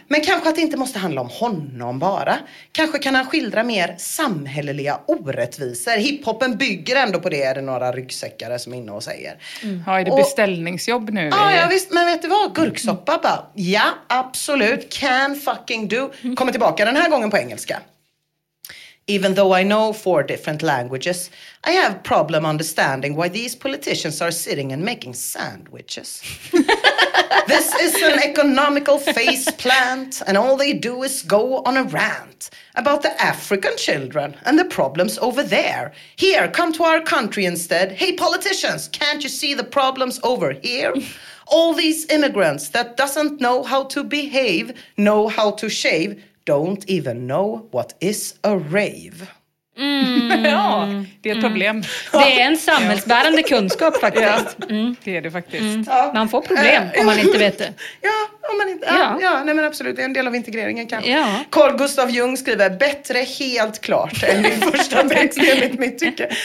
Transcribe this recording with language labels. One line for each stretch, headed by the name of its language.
Swedish: Men kanske att det inte måste handla om honom bara. Kanske kan han skildra mer samhälleliga orättvisor. Hiphopen bygger ändå på det, är det några ryggsäckare som inne och säger. Mm. Ja, är det och, beställningsjobb nu? Ja, ja, visst. Men vet du vad? Gurksoppa bara. Ja, absolut.
English: Can fucking do.
Swedish: Kommer tillbaka den här gången på engelska.
English: Even though I know 4 different languages, I have problem understanding why these politicians are sitting and making sandwiches. This is an economical face plant, and all they do is go on a rant about the African children and the problems over there. Here, come to our country instead. Hey, politicians, can't you see the problems over here? All these immigrants that doesn't know how to behave, know how to shave, don't even know what is a rave. Mm.
Swedish: Ja, det är ett problem. Det är en samhällsbärande kunskap faktiskt. Ja, det är det faktiskt. Mm. Man får problem om man inte vet det. Ja, om man inte... Ja. Ja, nej men absolut, det är en del av integreringen kanske. Ja. Carl Gustav Jung skriver, bättre helt klart än min första text enligt mitt tycke.